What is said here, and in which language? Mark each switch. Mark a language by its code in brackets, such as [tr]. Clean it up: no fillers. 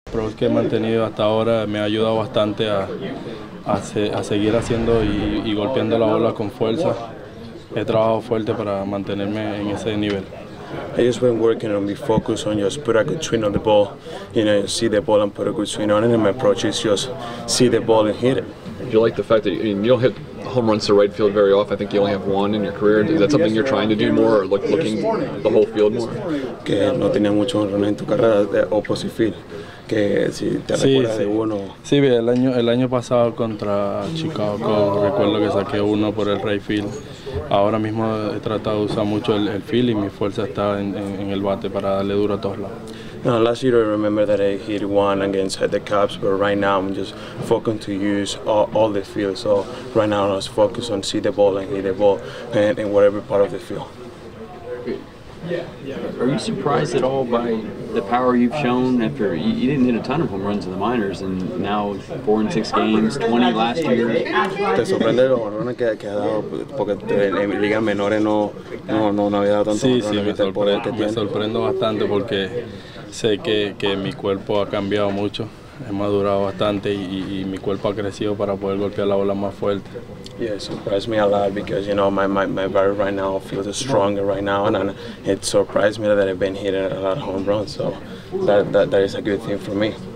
[es] approach que he mantenido hasta ahora me ha ayudado bastante a seguir haciendo y golpeando la bola con fuerza. He trabajado fuerte para mantenerme en ese nivel. [en] I just been working on be focused on just put a good swing on the ball, you know, see the ball and put a good swing on it, and my approach is just see the ball and hit it. Do you like the fact that you don't hit home runs to right field very often? I think you only have one in your career. Is that something you're trying to do more, or looking the whole field more? [es] Que no tenía mucho home run en tu carrera de opposite field. Que si te recuerdas de uno. Sí, el año pasado contra Chicago recuerdo que saqué uno por el right field. Ahora mismo he tratado de usar mucho el field y mi fuerza está en el bate para darle duro a todos lados. [en] Now, last year I remember that I hit one against the Cubs, but right now I'm just focused to use all the field. So right now I'm just focused on see the ball and hit the ball in whatever part of the field. Yeah. Are you surprised at all by the power you've shown after you didn't hit a ton of home runs in the minors and now 4-6 games, 20 last year? [es] Te sorprende los home runs que ha dado porque en ligas menores no había dado tanto. Sí, me sorprendo bastante porque sé que mi cuerpo ha cambiado mucho. He madurado bastante y mi cuerpo ha crecido para poder golpear la bola más fuerte. [en] Yeah, it surprised me a lot because, you know, my body right now feels stronger right now, and it surprised me that I've been hitting a lot of home runs, so that is a good thing for me.